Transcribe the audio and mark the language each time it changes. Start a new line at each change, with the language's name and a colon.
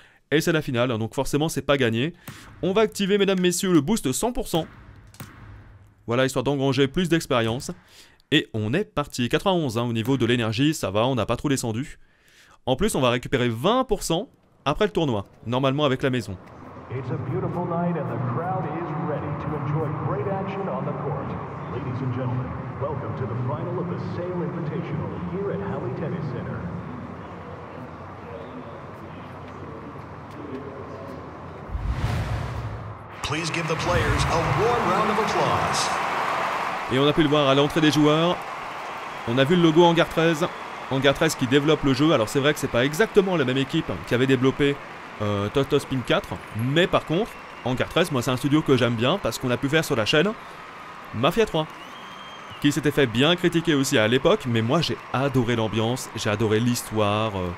French: Et c'est la finale, donc forcément, c'est pas gagné. On va activer, mesdames, messieurs, le boost 100%. Voilà, histoire d'engranger plus d'expérience. Et on est parti. 91, hein, au niveau de l'énergie, ça va, on n'a pas trop descendu. En plus, on va récupérer 20% après le tournoi, normalement avec la maison.
English: It's a beautiful night and the crowd is ready to enjoy great action on the court. Ladies and gentlemen, welcome to the final of the Sail Invitational here at Halley Tennis Center. Please give the players a warm round of applause.
French: Et on a pu le voir à l'entrée des joueurs. On a vu le logo Hangar 13. Hangar 13 qui développe le jeu. Alors c'est vrai que c'est pas exactement la même équipe qui avait développé Totospin 4, mais par contre, Hangar 13, moi c'est un studio que j'aime bien parce qu'on a pu faire sur la chaîne Mafia 3, qui s'était fait bien critiquer aussi à l'époque, mais moi j'ai adoré l'ambiance, j'ai adoré l'histoire.